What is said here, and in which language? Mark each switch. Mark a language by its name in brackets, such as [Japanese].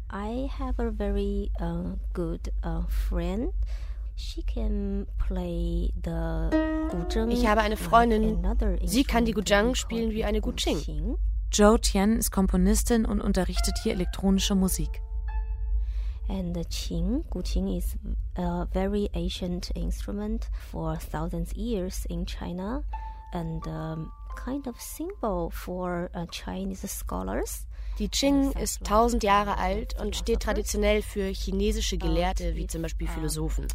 [English] I have a very good friend. She can play the guzheng. [German] Ich habe eine Freundin. Sie kann die guzheng spielen wie eine guqing. Zhou Tian ist Komponistin und unterrichtet hier elektronische Musik. [English] And the qing, guqing is a very ancient instrument for thousands of years in China and kind of symbol for Chinese scholars. [German] Die Qing ist 1000 Jahre alt und steht traditionell für chinesische Gelehrte, wie zum Beispiel Philosophen.